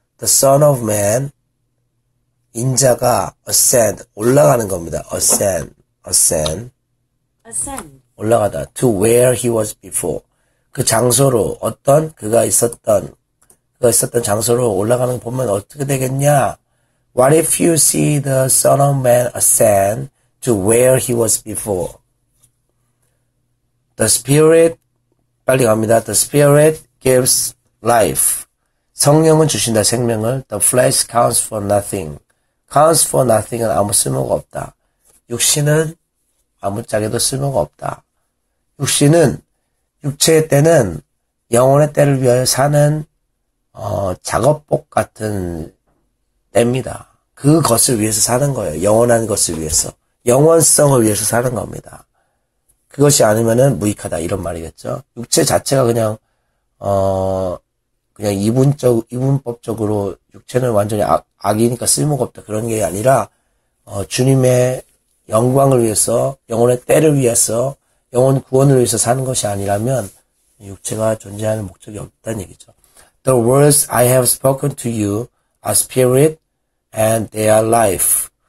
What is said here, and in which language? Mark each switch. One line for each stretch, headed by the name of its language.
English: The Son of Man,
Korean: 인자가
English: ascend,
Korean: 올라가는 겁니다.
English: Ascend, ascend. Ascend.
Korean: 올라가다.
English: To where he was before.
Korean: 그 장소로, 어떤 그가 있었던, 그가 있었던 장소로 올라가는 거 보면 어떻게 되겠냐?
English: What if you see the Son of Man ascend to where he was before? The Spirit,
Korean: 빨리 갑니다.
English: The Spirit gives life.
Korean: 성령은 주신다, 생명을.
English: The flesh counts for nothing. Counts for nothing
Korean: 은 아무 쓸모가 없다. 육신은 아무짝에도 쓸모가 없다. 육신은 육체의 때는 영혼의 때를 위하여 사는 작업복 같은 때입니다. 그것을 위해서 사는 거예요. 영원한 것을 위해서. 영원성을 위해서 사는 겁니다. 그것이 아니면은 무익하다. 이런 말이겠죠. 육체 자체가 그냥, 그냥 이분법적으로 육체는 완전히 악이니까 쓸모가 없다. 그런 게 아니라, 주님의 영광을 위해서, 영혼의 때를 위해서, 영혼 구원을 위해서 사는 것이 아니라면, 육체가 존재하는 목적이 없다는 얘기죠.
English: The words I have spoken to you are spirit and they are life.